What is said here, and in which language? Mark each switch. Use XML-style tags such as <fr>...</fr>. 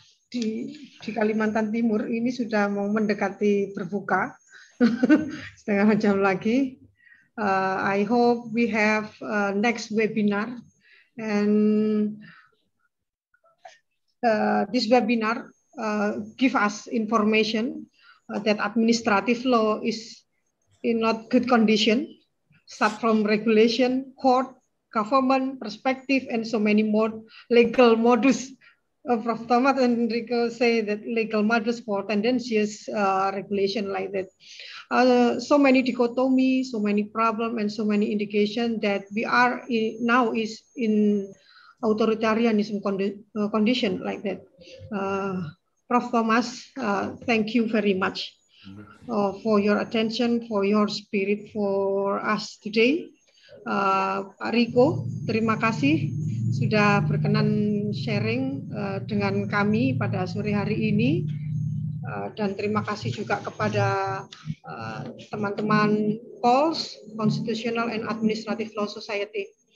<id>Di Kalimantan Timur ini sudah mau mendekati berbuka setengah jam lagi.</id> <en>I hope we have a next webinar, and this webinar give us information that administrative law is in not good condition, start from regulation, court, government perspective, and so many more legal modus. Prof. Thomas and Rico say that legal modus for tendentious regulation like that. So many dichotomy, so many problem, and so many indication that we are now is in authoritarianism condition like that. Prof. Thomas, thank you very much for your attention, for your spirit for us today.</en> <id>Pak Rico, terima kasih sudah berkenan sharing dengan kami pada sore hari ini. Dan terima kasih juga kepada teman-teman Pols, Constitutional and Administrative Law Society.</id>